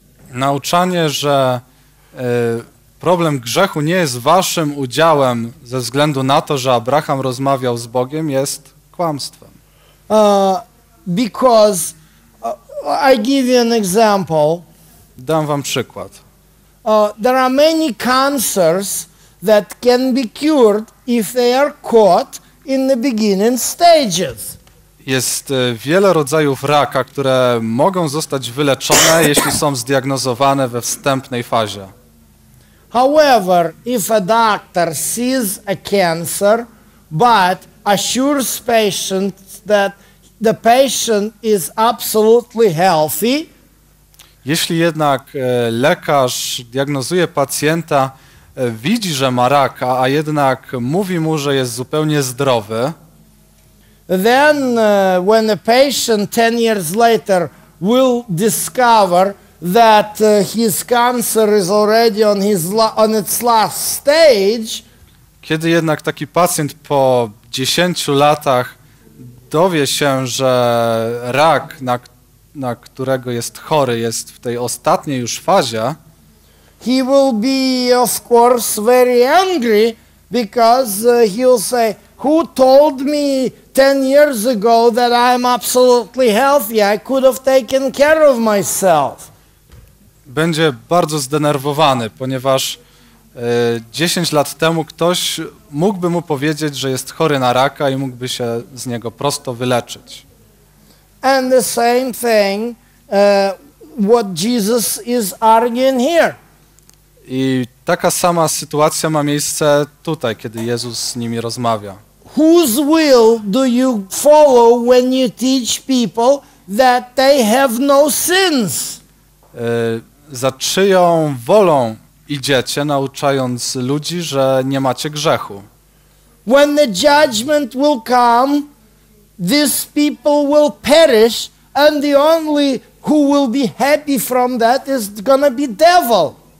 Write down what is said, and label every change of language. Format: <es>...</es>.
<pl>Nauczanie, że problem grzechu nie jest waszym udziałem ze względu na to, że Abraham rozmawiał z Bogiem, jest kłamstwem.</pl> <en>Because I give you an example.</en> <pl>Dam wam przykład.</pl> <en>There are many cancers that can be cured if they are caught in the beginning stages.</en> <pl>Jest wiele rodzajów raka, które mogą zostać wyleczone, jeśli są zdiagnozowane we wstępnej fazie.</pl> <en>However, if a doctor sees a cancer but assures patients that the patient is absolutely healthy,</en> <pl>jeśli jednak lekarz diagnozuje pacjenta, widzi, że ma raka, a jednak mówi mu, że jest zupełnie zdrowy,</pl> <en>then when a patient 10 years later will discover that his cancer is already on its last stage,</en> <pl>kiedy jednak taki pacjent po 10 latach dowie się, że rak, na którego jest chory, jest w tej ostatniej już fazie,</pl> <en>he will be of course very angry because he'll say, who told me 10 years ago that I'm absolutely healthy? I could have taken care of myself.</en> <pl>Będzie bardzo zdenerwowany, ponieważ 10 lat temu ktoś mógłby mu powiedzieć, że jest chory na raka i mógłby się z niego prosto wyleczyć.</pl> <en>And the same thing what Jesus is arguing here.</en> <pl>I taka sama sytuacja ma miejsce tutaj, kiedy Jezus z nimi rozmawia.</pl> <en>Whose will do you follow when you teach people that they have no sins?</en> <pl>Za czyją wolą idziecie, nauczając ludzi, że nie macie grzechu?</pl> <en>When the judgment will come, these people will perish, and the only who will be happy from that is gonna be devil.</en>